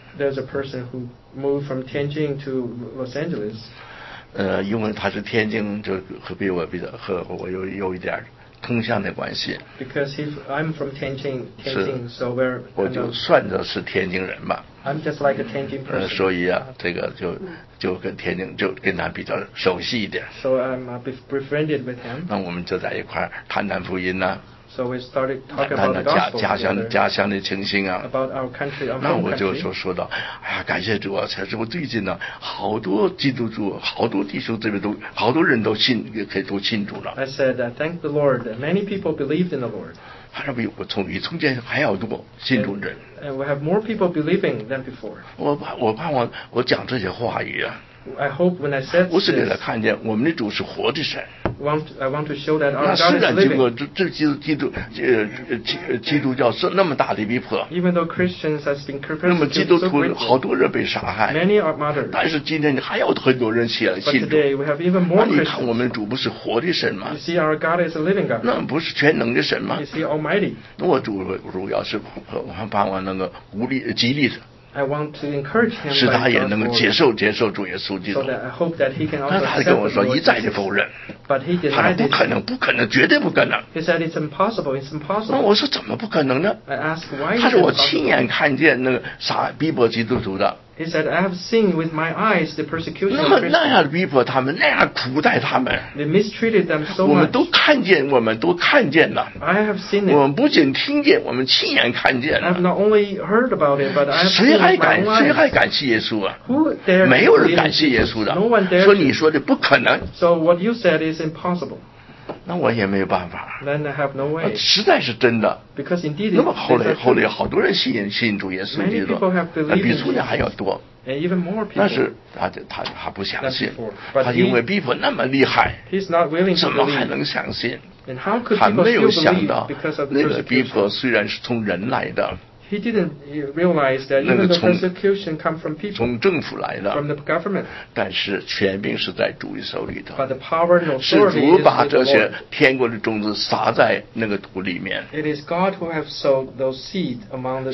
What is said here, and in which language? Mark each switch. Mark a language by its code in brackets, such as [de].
[en] There's a person who moved from Tianjin to Los Angeles. [zh] 因为他是天津，就和我有一点通向的关系。 [en] Because I'm from Tianjin, so we're. [zh] 我就算着是天津人吧。 [en] I'm just like a Tianjin person. [zh] 所以啊，这个就跟天津就跟他比较熟悉一点。 [en] So I'm befriended with him. [zh] 那我们就在一块儿谈谈福音呢、啊。 [en] So we started talking about the gospel. [zh] 家乡的情形啊。 [en] About our country, our home country. [zh] 那我就说到，哎呀，感谢主啊！才是我最近呢、啊，好多基督徒，好多弟兄这边都，好多人都信，也可以都信主了。 [en] I said, thank the Lord. Many people believed in the Lord. [zh] 还是比从前还要多信主人。 [en] And we have more people believing than before. [zh] 我盼望我讲这些话语啊。 [en] I hope when I said this, [zh] 不是给他看见我们的主是活的神。 [en] I want to show that our God is living. [zh] 那虽然经过这基督教是那么大的逼迫， [en] even though Christians has been persecuted, [zh] 那么基督徒好多人被杀害， [en] many are martyred. [zh] 但是今天你还有很多人信主。 [en] But today we have even more Christians. [zh] 那你看我们主不是活的神吗？ [en] You see our God is a living God. [zh] 那不是全能的神吗？ [en] You see Almighty. [zh] 那我主要是盼望能够激励他。 [en] I want to encourage him. [zh] 使他也能够接受主耶稣基督。 [en] So that I hope that he can also accept the Lord. [zh] 他跟我说一再的否认。 [en] But he denied. [zh] 他说不可能，绝对不可能。 [en] He said it's impossible. [zh] 那我说怎么不可能呢？ [en] I asked why. [zh] 他说我亲眼看见那个杀逼迫基督徒的。 [en] He said I have seen with my eyes the persecution. [zh] 那么那样逼迫他们，那样苦待他们。 [en] They mistreated them so much. [zh] 我们都看见了。 [en] I have seen it. [zh] 我们不仅听见，我们亲眼看见了。 [en] I've not only heard about it, but I have seen it with my eyes. [zh] 谁还敢信耶稣啊？ [en] Who dare? [zh] 没有人敢信耶稣的。 [en] No one dare. [zh] 说你说的不可能。 [en] So what you said is impossible. [zh] 那我也没有办法。 [en] Then I have no way. [zh] 实在是真的。 [en] Because indeed, [zh] 那么后来好多人信主耶稣基督，比从前还要多。 [en] And even more people. [zh] 那是他不相信，他因为逼迫那么厉害，怎么还能相信？他没有想到那个逼迫虽然是从人来的。 [en] He didn't realize that even the persecution come from people. [zh] 从政府来的。 [en] From the government. [zh] 但是权柄是在主的手里头。 [en] But the power and authority is in the Lord. [zh] 是主把这些天国的种子撒在那个土里面。 [en] It is God who has sowed those seeds among the people.